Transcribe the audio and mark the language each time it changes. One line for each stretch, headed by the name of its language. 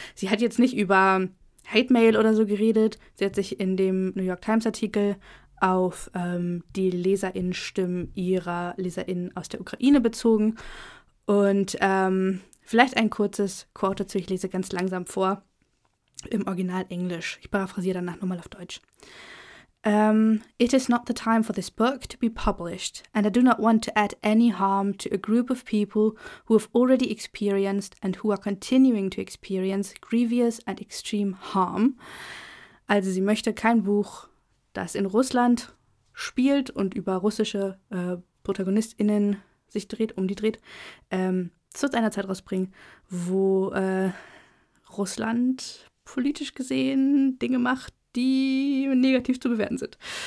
German: Sie hat jetzt nicht über Hate Mail oder so geredet. Sie hat sich in dem New York Times Artikel auf die LeserInnen-Stimmen ihrer LeserInnen aus der Ukraine bezogen. Und vielleicht ein kurzes Quote dazu. Ich lese ganz langsam vor im Original Englisch. Ich paraphrasiere danach nochmal auf Deutsch.
English: It is not the time for this book to be published, and I do not want to add any harm to a group of people who have already experienced and who are continuing to experience grievous and extreme harm.
German: Also sie möchte kein Buch, das in Russland spielt und über russische ProtagonistInnen sich dreht, zu einer Zeit rausbringen, wo Russland politisch gesehen Dinge macht, die negativ zu bewerten sind.